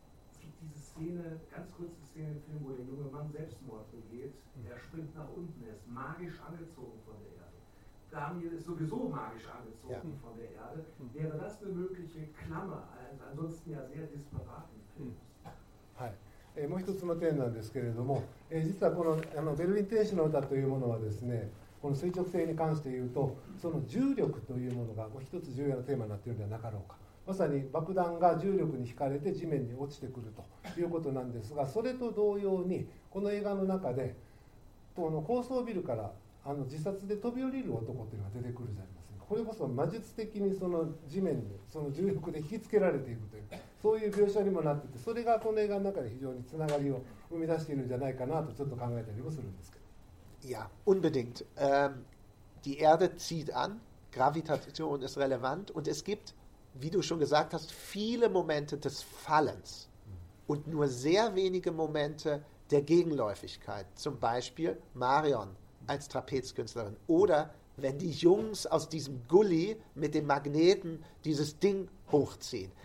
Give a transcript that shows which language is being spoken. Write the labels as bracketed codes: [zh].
[de] Es gibt diese Szene, ganz kurze Szene im Film, wo der junge Mann Selbstmord begeht. Er springt nach unten, er ist magisch angezogen von der Erde. Daniel ist sowieso magisch angezogen von der Erde. Wäre das eine mögliche Klammer eines ansonsten ja sehr disparaten Films? [ja] もう一つの点なんですけれども、実はこのベルリン天使の歌というものはですね、この垂直性に関して言うと、その重力というものが一つ重要なテーマになっているんではなかろうか。まさに爆弾が重力に引かれて地面に落ちてくるということなんですが、それと同様にこの映画の中でこの高層ビルから自殺で飛び降りる男というのが出てくるじゃありませんか。これこそ魔術的にその地面にその重力で引きつけられていくというそういう描写にもなっていて、それがこの映画の中で非常につながりを生み出しているんじゃないかなとちょっと考えたりもするんですけど。いや、 [de] unbedingt. Die Erde zieht an, Gravitation ist relevant und es gibt, wie du schon gesagt hast, viele Momente des Fallens und nur sehr wenige Momente der Gegenläufigkeit. Zum Beispiel Marion als Trapezkünstlerin oder wenn die Jungs aus diesem Gully mit dem Magneten dieses Ding hochziehen.